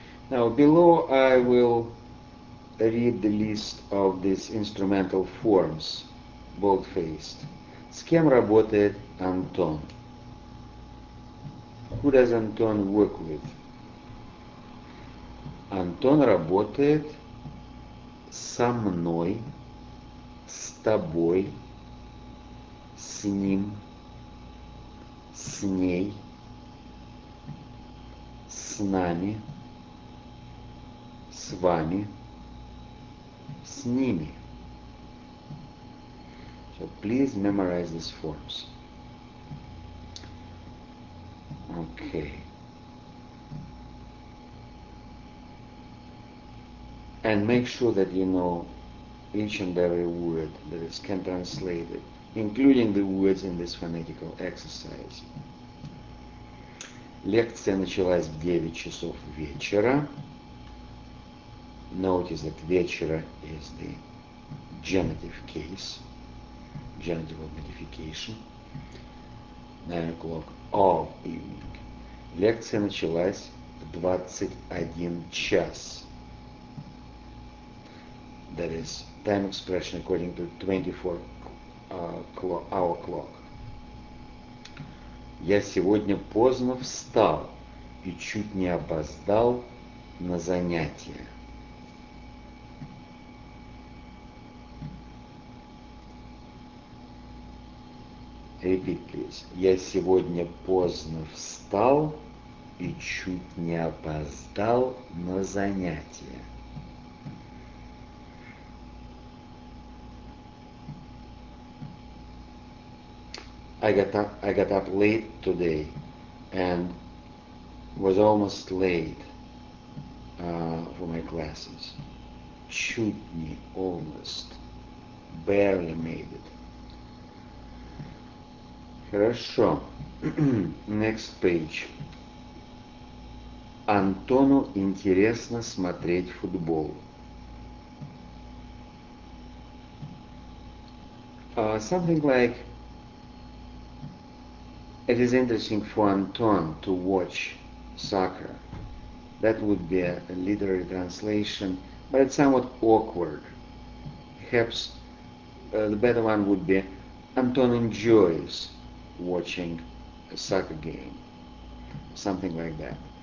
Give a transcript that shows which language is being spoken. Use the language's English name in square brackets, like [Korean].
[English] Now below I will read the list of these instrumental forms, bold-faced. [Russian] С кем работает Антон? [English] Who does Anton work with? Anton [Russian] работает со мной, с тобой, с ним, с ней, с нами, с вами, с ними. [English] So please memorize these forms. Okay. And make sure that you know each and every word that is can translate it, including the words in this phonetical exercise. [Russian] Лекция началась в 9 часов вечера. [English] Notice that вечера is the genitive case, genitive of modification. 9 o'clock of evening. [Russian] Лекция началась в 21 час. [English] That is time expression according to 24 hour clock. [Russian] Я сегодня поздно встал и чуть не опоздал на занятия. [English] Repeat, please. [Russian] Я сегодня поздно встал и чуть не опоздал на занятия. [English] I got up late today and was almost late for my classes. [Russian] Чуть не, [English] almost, barely made it. [Russian] Хорошо. [English] Next page. [Russian] Антону интересно смотреть футбол. [English] Something like it is interesting for Anton to watch soccer. That would be a literary translation, but it's somewhat awkward. Perhaps the better one would be Anton enjoys watching a soccer game, something like that.